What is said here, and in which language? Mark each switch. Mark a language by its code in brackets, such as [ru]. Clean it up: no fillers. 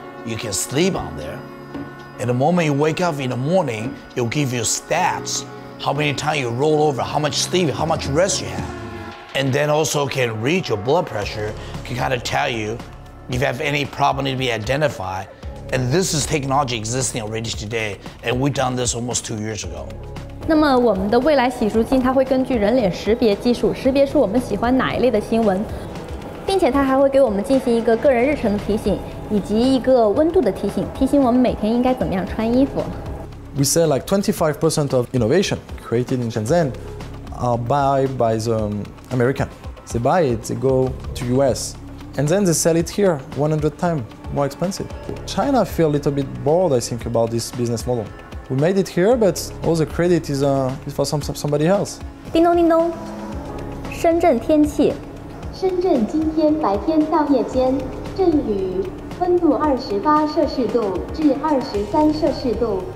[en] You can sleep on there. And the moment you wake up in the morning, it'll give you stats, how many times you roll over, how much sleep, how much rest you have. And then also can read your blood pressure, can kind of tell you if you have any problem to be identified. And this is technology existing already today. And we've done this almost 2 years ago. [zh] 那么我们的未来洗漱镜它会根据人脸识别技术识别出我们喜欢哪一类的新闻，并且它还会给我们进行一个个人日程的提醒以及一个温度的提醒，提醒我们每天应该怎么样穿衣服。 [en] We say like 25% of innovation created in Shenzhen are by the American. They buy it, they go to US. And then they sell it here 100 times more expensive. China feel a little bit bored, I think, about this business model. We made it here, but all the credit is for somebody else. [zh] 叮咚叮咚，深圳天气。深圳今天白天到夜间阵雨，温度28摄氏度至23摄氏度。